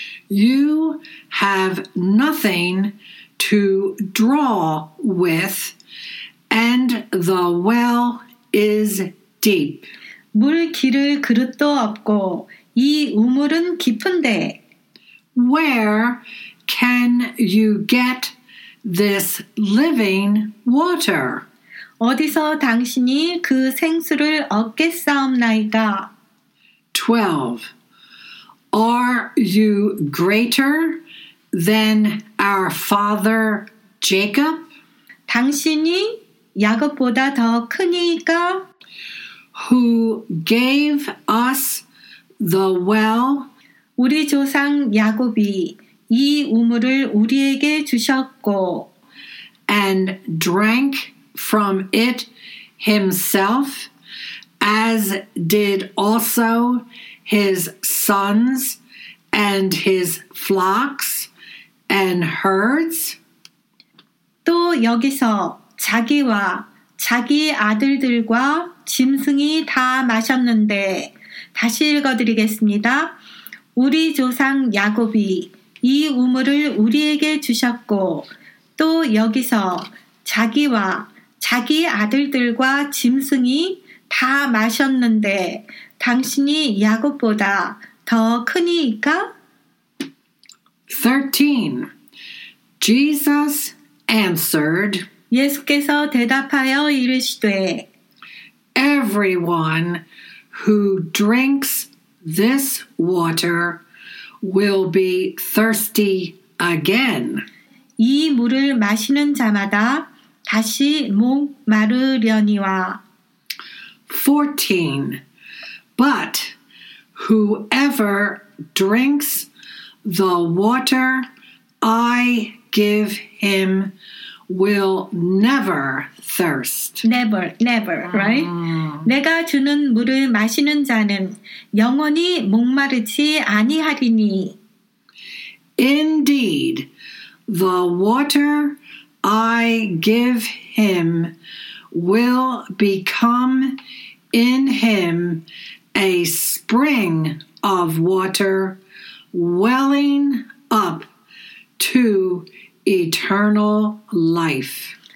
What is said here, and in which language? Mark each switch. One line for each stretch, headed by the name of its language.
English: You have nothing to draw with, and the well is deep.
Korean: 물 기를 그릇도 없고, 이 우물은 깊은데,
English: Where can you get this living water?
Korean: 어디서 당신이 그 생수를 얻겠사옵나이까?
English: 12. Are you greater than our father Jacob?
Korean: 당신이 야곱보다 더 크니까?
English: Who gave us the well?
Korean: 우리 조상 야곱이 이 우물을 우리에게 주셨고,
English: and drank from it himself, as did also his sons and his flocks and herds.
Korean: 또 여기서 자기와 자기 아들들과 짐승이 다 마셨는데, 다시 읽어드리겠습니다. 우리 조상 야곱이 이 우물을 우리에게 주셨고, 또 여기서 자기와 자기 아들들과 짐승이 다 마셨는데, 당신이 야곱보다 더 크니까?
English: 13. Jesus answered,
Korean: 예수께서 대답하여 이르시되,
English: Everyone who drinks this water will be thirsty again.
Korean: 이 물을 마시는 자마다 다시 목 마르려니와.
English: 14. But whoever drinks the water I give him will never thirst. Never, never, right?
Korean: 내가 주는 물을 마시는 자는 영원히 목마르지 아니하리니.
English: Indeed, the water I give him will become in him a spring of water welling up to eternal life.